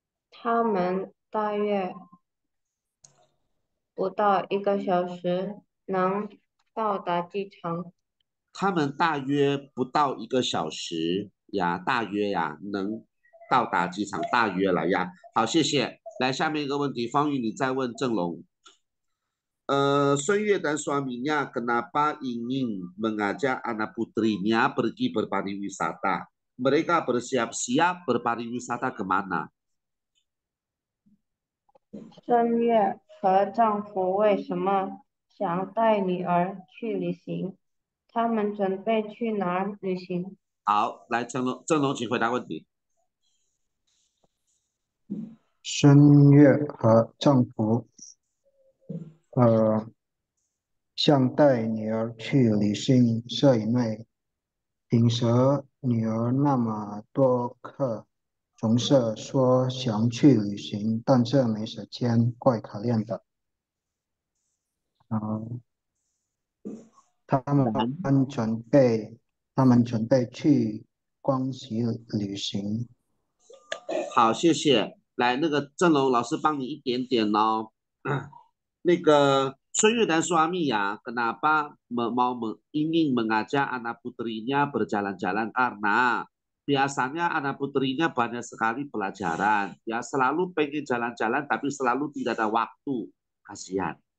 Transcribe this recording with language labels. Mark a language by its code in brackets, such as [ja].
[zh] 他们大约不到1个小时能到达机场。他们大约不到1个小时呀，大约呀，能到达机场，大约了呀。好，谢谢。来，下面一个问题，方宇，你再问郑龙。孙悦丹说明呀， [id] kenapa ingin mengajak anak putrinya pergi berpariwisata? Mereka bersiap-siap berpariwisata kemana? [zh] 孙悦和丈夫为什么想带女儿去旅行？他们准备去哪儿旅行？好，来，郑龙，请回答问题。孙悦和丈夫，想带女儿去旅行，是因为平时女儿那么多课。总是说想去旅行，但是没时间，怪可怜的。他们准备去广西旅行。好，谢谢。来，那个郑龙老师帮你一点点哦。那个孙悦丹说阿米呀， [id] kenapa mau ingin mengajak anak putrinya berjalan-jalan karena biasanya anak putrinya banyak sekali pelajaran, ya selalu pengen jalan-jalan tapi selalu tidak ada waktu, kasihan.